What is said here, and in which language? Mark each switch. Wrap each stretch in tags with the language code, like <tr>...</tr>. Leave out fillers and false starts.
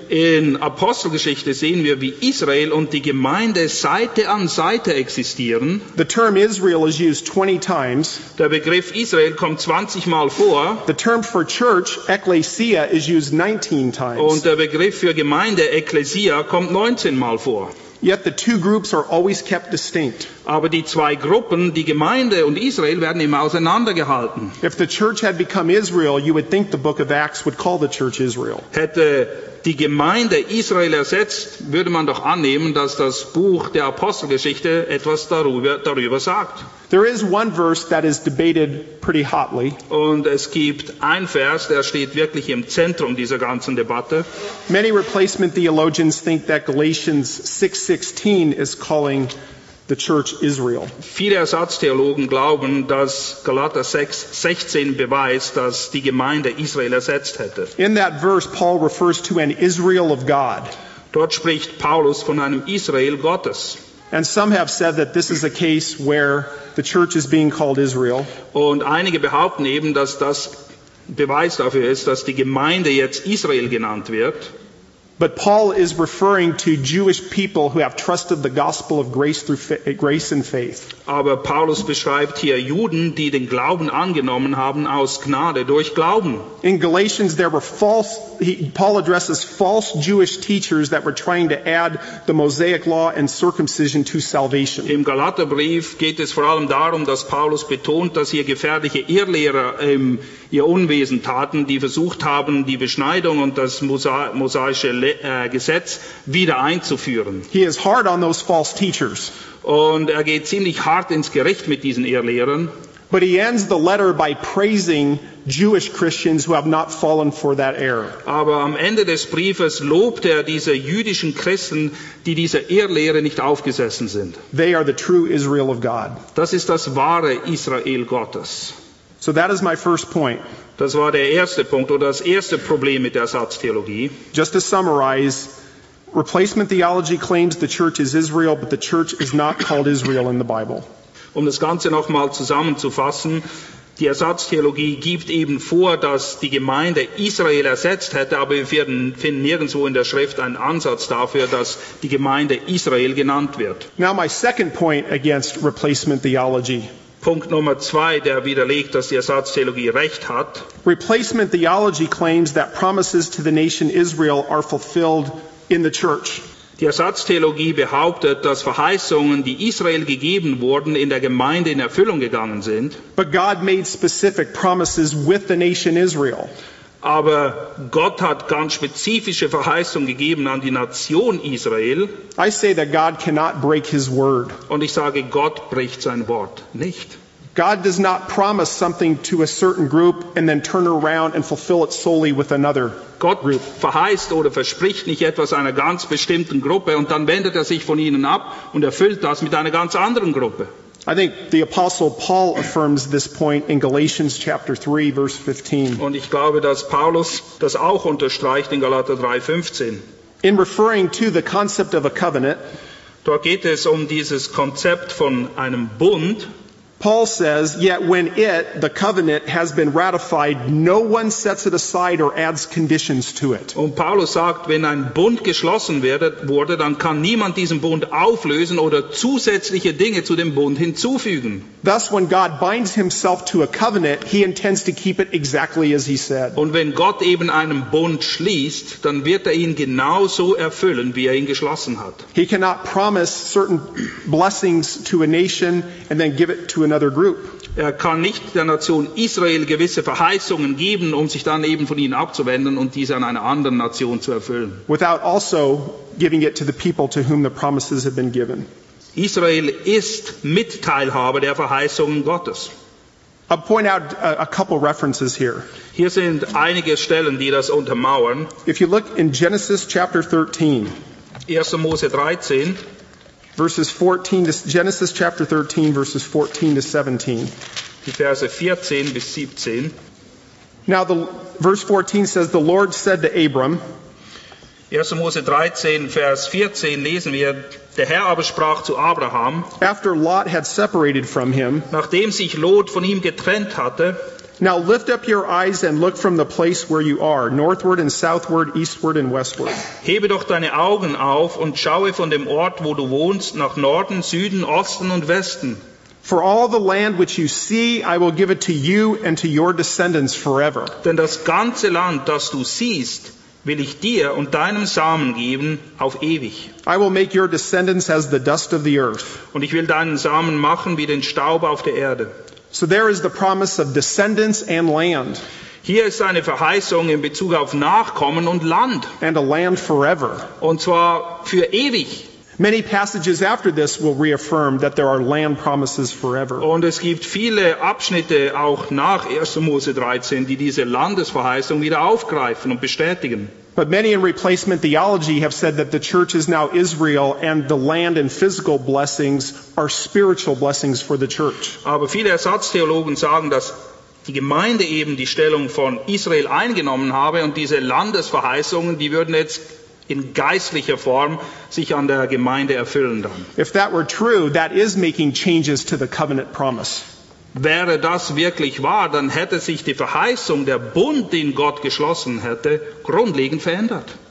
<de>In Apostelgeschichte sehen wir, wie Israel und die Gemeinde Seite an Seite existieren.</de> <en>The term Israel is used 20 times.</en> <de>Der Begriff Israel kommt 20 Mal vor.</de> <en>The term for church, Ekklesia, is used 19 times.</en> <de>Und der Begriff für Gemeinde, Ekklesia, kommt 19 Mal vor.</de> <en>Yet the two groups are always kept distinct.</en> <de>Aber die zwei Gruppen, die Gemeinde und Israel, werden immer auseinandergehalten.</de> <en>If the church had become Israel, you would think the book of Acts would call the church Israel.</en> <de>Hätte die Gemeinde Israel ersetzt, würde man doch annehmen, dass das Buch der Apostelgeschichte etwas darüber sagt.</de> <en>There is one verse that is debated pretty hotly.</en> <de>Und es gibt ein Vers, der steht wirklich im Zentrum dieser ganzen Debatte.</de> <en>Many replacement theologians think that Galatians 6:16 is calling the church Israel.</en> <de>Viele Ersatztheologen glauben, dass Galater 6:16 beweist, dass die Gemeinde Israel ersetzt hätte.</de> <en>In that verse Paul refers to an Israel of God.</en> <de>Dort spricht Paulus von einem Israel Gottes.</de> <en>And some have said that this is a case where the church is being called Israel.</en> <de>Und einige behaupten eben, dass das Beweis dafür ist, dass die Gemeinde jetzt Israel genannt wird.</de> <en>But Paul is referring to Jewish people who have trusted the gospel of grace through grace and faith.</en> <de>Aber Paulus beschreibt hier Juden, die den Glauben angenommen haben aus Gnade durch Glauben.</de> <en>In Galatians there were false Paul addresses false Jewish teachers that were trying to add the Mosaic law and circumcision to salvation.</en> <de>Im Galaterbrief geht es vor allem darum, dass Paulus betont, dass hier gefährliche Irrlehrer ihr Unwesen taten, die versucht haben, die Beschneidung und das mosaische Gesetz wieder einzuführen.</de> <en>He is hard on those false teachers.</en> <de>Und er geht ziemlich hart ins Gericht mit diesen Irrlehrern.</de> <en>But he ends the letter by praising Jewish Christians who have not fallen for that error.</en> <de>Aber am Ende des Briefes lobt er diese jüdischen Christen, die dieser Irrlehre nicht aufgesessen sind.</de> <en>They are the true Israel of God.</en> <de>Das ist das wahre Israel Gottes.</de> <en>So that is my first point.</en> <de>Das war der erste Punkt oder das erste Problem mit der Ersatztheologie.</de> <en>Just to summarize, replacement theology claims the church is Israel, but the church is not called Israel in the Bible.</en> <de>Um das Ganze nochmal zusammenzufassen, die Ersatztheologie gibt eben vor, dass die Gemeinde Israel ersetzt hätte, aber wir finden nirgendwo in der Schrift einen Ansatz dafür, dass die Gemeinde Israel genannt wird.</de> <en>Now my second point against replacement theology.</en> <de>Punkt Nummer zwei, der widerlegt, dass die Ersatztheologie recht hat.</de> <en>Replacement theology claims that promises to the nation Israel are fulfilled in the church.</en> <de>Die Ersatztheologie behauptet, dass Verheißungen, die Israel gegeben wurden, in der Gemeinde in Erfüllung gegangen sind.</de> <en>But God made specific promises with the nation Israel.</en> <de>Aber Gott hat ganz spezifische Verheißungen gegeben an die Nation Israel.</de> <en>I say that God cannot break his word.</en> <de>Und ich sage, Gott bricht sein Wort nicht.</de> <en>God does not promise something to a certain group and then turn around and fulfill it solely with another group.</en> <de>Gott verheißt oder verspricht nicht etwas einer ganz bestimmten Gruppe und dann wendet er sich von ihnen ab und erfüllt das mit einer ganz anderen Gruppe.</de> <en>I think the Apostle Paul affirms this point in Galatians chapter 3, verse 15.</en> <de>Und ich glaube, dass Paulus das auch unterstreicht in Galater 3, 15.</de> <en>In referring to the concept of a covenant,</en> <de>dort geht es um dieses Konzept von einem Bund.</de> <en>Paul says, yet when it, the covenant, has been ratified, no one sets it aside or adds conditions to it.</en> <de>Und Paulus sagt, wenn ein Bund geschlossen wurde, dann kann niemand diesen Bund auflösen oder zusätzliche Dinge zu dem Bund hinzufügen.</de> <en>Thus, when God binds himself to a covenant, he intends to keep it exactly as he said.</en> <de>Und wenn Gott eben einen Bund schließt, dann wird ihn genauso erfüllen, wie ihn geschlossen hat.</de> <en>He cannot promise certain blessings to a nation and then give it to another group.</en> <de>Er kann nicht der Nation Israel gewisse Verheißungen geben, um sich dann eben von ihnen abzuwenden und diese an einer anderen Nation zu erfüllen.</de> <en>Without also giving it to the people to whom the promises have been given.</en> <de>Israel ist Mitteilhaber der Verheißungen Gottes.</de> <en>I'll point out a couple references here.</en> <de>Hier sind einige Stellen, die das untermauern.</de> <en>If you look in Genesis chapter 13,</en> <de>1. Mose 13,</de> <en>verses 14 to Genesis chapter 13 verses 14 to 17.</en> <de>Die Verse 14 bis 17.</de> <en>Now the verse 14 says the Lord said to Abram.</en> <de>1. Mose 13, Vers 14 lesen wir, der Herr aber sprach zu Abraham,</de> <en>after Lot had separated from him,</en> <de>nachdem sich Lot von ihm getrennt hatte,</de> <en>now lift up your eyes and look from the place where you are, northward and southward, eastward and westward.</en> <de>Hebe doch deine Augen auf und schaue von dem Ort, wo du wohnst, nach Norden, Süden, Osten und Westen.</de> <en>For all the land which you see, I will give it to you and to your descendants forever.</en> <de>Denn das ganze Land, das du siehst, will ich dir und deinem Samen geben auf ewig.</de> <en>I will make your descendants as the dust of the earth.</en> <de>Und ich will deinen Samen machen wie den Staub auf der Erde.</de> <en>So there is the promise of descendants and land.</en> <de>Hier ist eine Verheißung in Bezug auf Nachkommen und Land.</de> <en>And a land forever.</en> <de>Und zwar für ewig.</de> <en>Many passages after this will reaffirm that there are land promises forever.</en> <de>Und es gibt viele Abschnitte auch nach 1. Mose 13, die diese Landesverheißung wieder aufgreifen und bestätigen.</de> <en>But many in replacement theology have said that the church is now Israel and the land and physical blessings are spiritual blessings for the church.</en> <de>Aber viele Ersatztheologen sagen, dass die Gemeinde eben die Stellung von Israel eingenommen habe und diese Landesverheißungen, die würden jetzt in geistlicher Form sich an der Gemeinde erfüllen dann.</de> <en>If that were true, that is making changes to the covenant promise.</en> <de>Wäre das wirklich wahr, dann hätte sich die Verheißung, der Bund, den Gott geschlossen hätte, grundlegend verändert.</de>